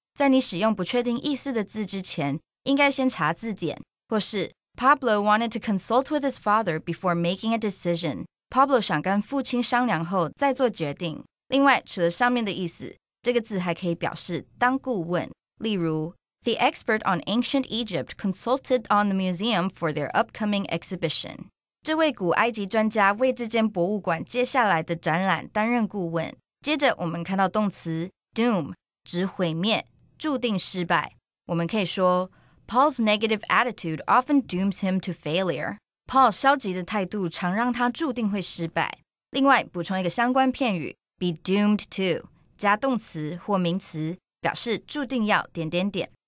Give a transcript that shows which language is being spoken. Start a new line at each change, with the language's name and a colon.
Chinese: 在你使用不确定意思的字之前,应该先查字典。或是
English: Pablo wanted to consult with his father before making a decision.
Chinese: Pablo 想跟父亲商量后再做决定。另外，除了上面的意思，这个字还可以表示当顾问。例如
English: ，The expert on ancient Egypt consulted on the museum for their upcoming exhibition.
Chinese: 这位古埃及专家为这间博物馆接下来的展览担任顾问。接着，我们看到动词 doom， 指毁灭，注定失败。我们可以说。
English: Paul's negative attitude often dooms him to failure.
Chinese: Paul 消极的态度常让他注定会失败。另外，补充一个相关片语 ,be doomed to, 加动词或名词表示注定要点点点。